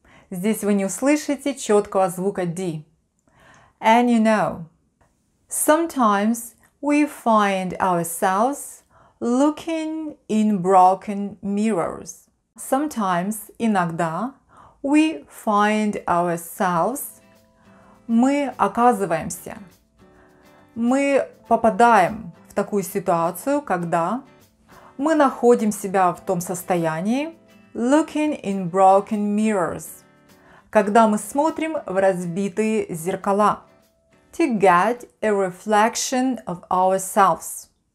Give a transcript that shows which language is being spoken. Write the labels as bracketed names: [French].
[Russian] Здесь вы не услышите четкого звука D. [English] And you know. Sometimes we find ourselves looking in broken mirrors. Sometimes, [Russian] иногда, [English] we find ourselves. [Russian] Мы оказываемся. Мы попадаем в такую ситуацию, когда мы находим себя в том состоянии [English] looking in broken mirrors. [Russian] Когда мы смотрим в разбитые зеркала. [English] To get a reflection of ourselves.